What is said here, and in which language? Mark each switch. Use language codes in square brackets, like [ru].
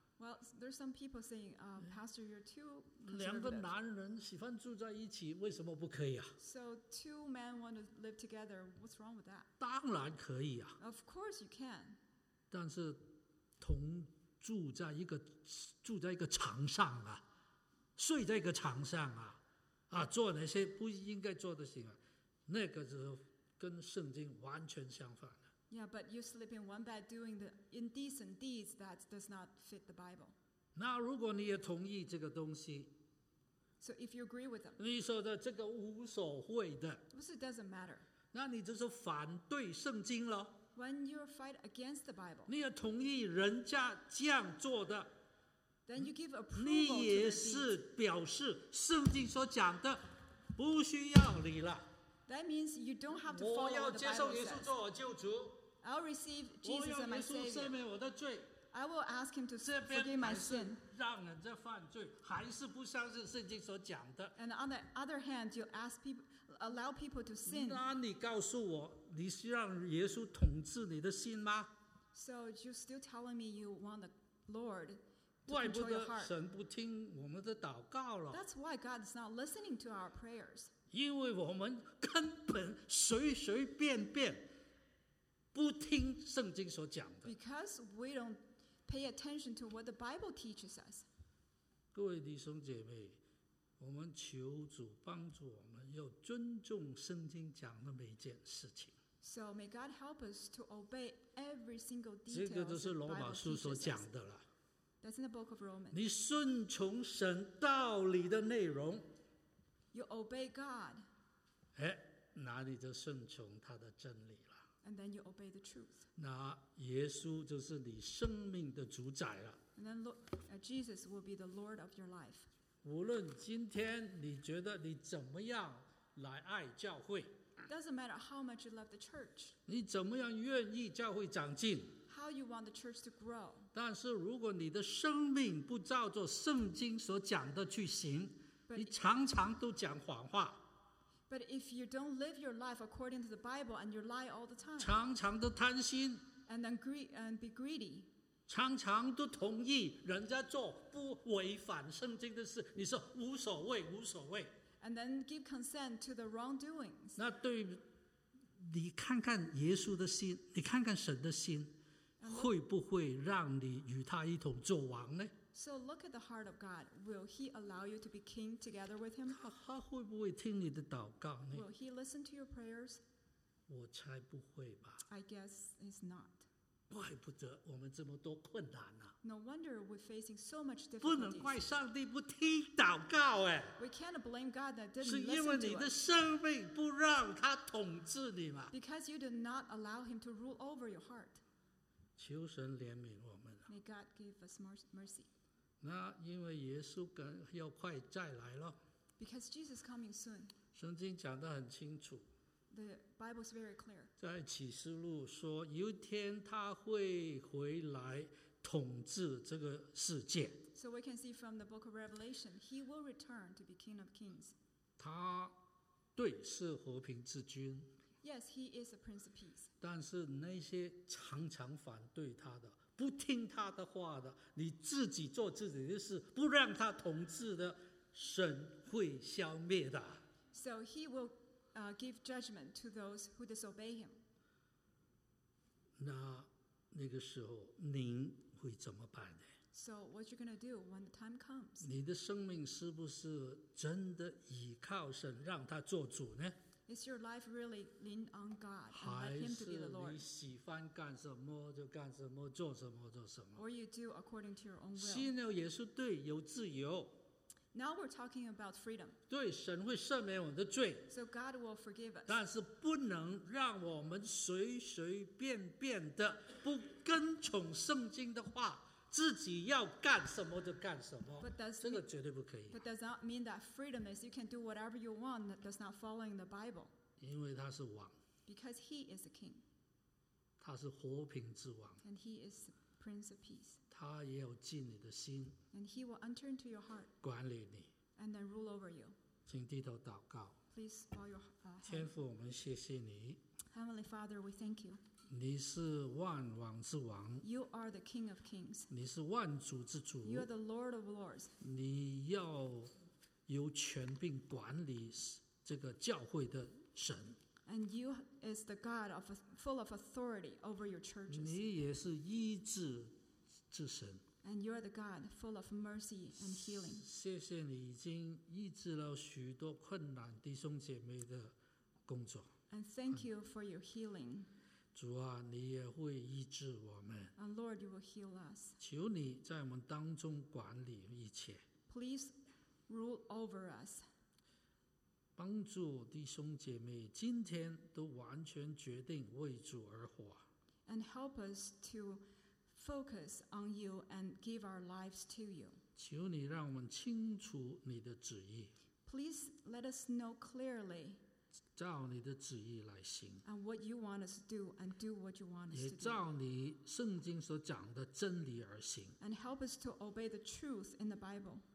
[en] Well, there's some people saying, Pastor, you're too conservative. [zh] 两个男人喜欢住在一起，为什么不可以啊？ [en] So two men want to live together, what's wrong with that? [zh] 当然可以啊。 [en] Of course you can. [zh] 但是同住在一个床上啊，睡在一个床上啊，啊，做那些不应该做的事情啊，那个是跟圣经完全相反。 [en] Yeah, but you sleep in one bed doing the indecent deeds that does not fit the Bible. [zh] 那如果你也同意这个东西 [en] So if you agree with them. [zh] 你说的这个无所谓的 [en] Because it doesn't matter. [zh] 那你就是反对圣经了 [en] When you fight against the Bible. [zh] 你也同意人家这样做的 [en] Then you give approval to the deeds. [zh] 你也是表示圣经所讲的不需要你了 [en] That means you don't have to follow what the Bible says. I'll receive Jesus as my Savior. I will ask him to forgive my sin. And on the other hand, you ask people, allow people to sin. [zh] 那你告诉我，你是让耶稣统治你的心吗？ [en] So you're still telling me you want the Lord to control your heart. [zh] 神不听我们的祷告了。 [en] That's why God is not listening to our prayers. [zh] 因为我们根本随随便便不听圣经所讲的。 [en] Because we don't pay attention to what the Bible teaches us. [zh] 各位弟兄姐妹，我们求主帮助我们要尊重圣经讲的每件事情。 [en] So may God help us to obey every single detail. [zh] 这个就是罗马书所讲的了。 [en] That's in the book of Romans. [zh] 你顺从神道理的内容。 [en] You obey God. [zh] 哎，哪里就顺从他的真理了。 [en] And then you obey the truth. [zh] 那耶稣就是你生命的主宰了。 [en] And then Jesus will be the Lord of your life. [zh] 无论今天你觉得你怎么样来爱教会。 [en] Doesn't matter how much you love the church. [zh] 你怎么样愿意教会长进？ [en] How you want the church to grow? [zh] 但是如果你的生命不照着圣经所讲的去行， [en] but, [zh] 你常常都讲谎话。 [en] But if you don't live your life according to the Bible and you lie all the time, [zh] 常常都贪心。 [en] And then be greedy. [zh] 常常都同意人家做不违反圣经的事，你说无所谓，无所谓。 [en] And then give consent to the wrongdoings. [zh] 那对，你看看耶稣的心，你看看神的心，会不会让你与他一同做王呢？ [en] So look at the heart of God. Will he allow you to be king together with him? [zh] 他会不会听你的祷告呢？ [en] Will he listen to your prayers? [zh] 我猜不会吧。 [en] I guess he's not. [zh] 怪不得我们这么多困难啊。 [en] No wonder we're facing so much difficulties. [zh] 不能怪上帝不听祷告哎。 [en] We can't blame God that didn't listen to us. [zh] 是因为你的生命不让他统治你嘛。 [en] Because you did not allow him to rule over your heart. [zh] 求神怜悯我们。 [en] May God give us mercy. [zh] 那因为耶稣要快再来了。 [en] Because Jesus is coming soon. [zh] 圣经讲得很清楚。 [en] The Bible is very clear. [zh] 在启示录说，有一天他会回来统治这个世界。 [en] So we can see from the book of Revelation, he will return to be King of Kings. [zh] 他对是和平之君。 [en] Yes, he is a Prince of Peace. [zh] 但是那些常常反对他的、不听他的话的、你自己做自己的事、不让他统治的，神会消灭的。 [en] So he will. Give judgment to those who disobey him. [zh] 那个时候您会怎么办呢？ [en] So what you're going to do when the time comes? [zh] 你的生命是不是真的依靠神让他做主呢？ [en] Is your life really lean on God and let him to be the Lord? [zh] 还是你喜欢干什么就干什么，做什么做什么？ [en] Or you do according to your own will? [zh] 信了耶稣，对，有自由。 [en] Now we're talking about freedom. [zh] 对，神会赦免我们的罪。 [en] So God will forgive us. [zh] 但是不能让我们随随便便的不跟从圣经的话，自己要干什么就干什么。 [en] But does [zh] 这个绝对不可以。 [en] But does not mean that freedom is you can do whatever you want that does not following the Bible. [zh] 因为他是王。 [en] Because he is a king. [zh] 他是和平之王。 [en] And he is Prince of Peace. [zh] 他也有进你的心。 [en] And he will enter into your heart. [zh] 管理你。 [en] And then rule over you. [zh] 请低头祷告。 [en] Please bow your head. [zh] 天父，我们谢谢你。 [en] Heavenly Father, we thank you. [zh] 你是万王之王。 [en] You are the King of Kings. [zh] 你是万主之主。 [en] You are the Lord of Lords. [zh] 你要有权柄管理这个教会的神。 [en] And you is the God of full of authority over your churches. [zh] 你也是医治之神。 [en] And you are the God full of mercy and healing. [zh] 谢谢你已经医治了许多困难弟兄姐妹的工作。 [en] And thank you for your healing. [zh] 主啊，你也会医治我们。 [en] And Lord, you will heal us. [zh] 求你在我们当中管理一切。 [en] Please rule over us. [zh] 帮助弟兄姐妹今天都完全决定为主而活。 [en] And help us to focus on you and give our lives to you. [zh] 求你让我们清楚你的旨意。 [en] Please let us know clearly. [zh] 照你的旨意来行。 [en] And what you want us to do and do what you want us to do. [zh] 也照你圣经所讲的真理而行。 [en] And help us to obey the truth in the Bible.